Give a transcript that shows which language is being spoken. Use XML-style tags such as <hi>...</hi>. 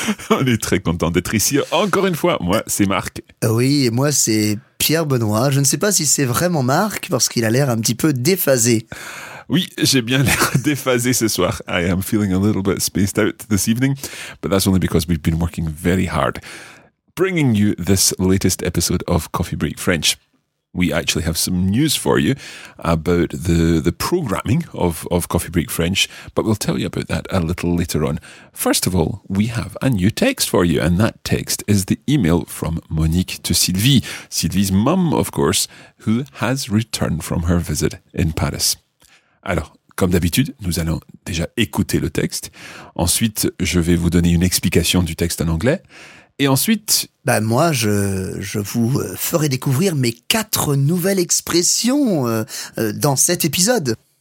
<fr>On est très content d'être ici encore une fois. Moi, c'est Marc. Oui, et moi, c'est Pierre Benoît. Je ne sais pas si c'est vraiment Marc, parce qu'il a l'air un petit peu déphasé. Oui, j'ai bien l'air déphasé ce soir.</fr> <en>I am feeling a little bit spaced out this evening, but that's only because we've been working very hard, bringing you this latest episode of Coffee Break French. We actually have some news for you about the programming of Coffee Break French, but we'll tell you about that a little later on. First of all, we have a new text for you, and that text is the email from Monique to Sylvie, Sylvie's mum, of course, who has returned from her visit in Paris.</en> <fr>Alors, comme d'habitude, nous allons déjà écouter le texte. Ensuite, je vais vous donner une explication du texte en anglais. Et ensuite, ben moi, je vous ferai découvrir mes quatre nouvelles expressions dans cet épisode.</fr>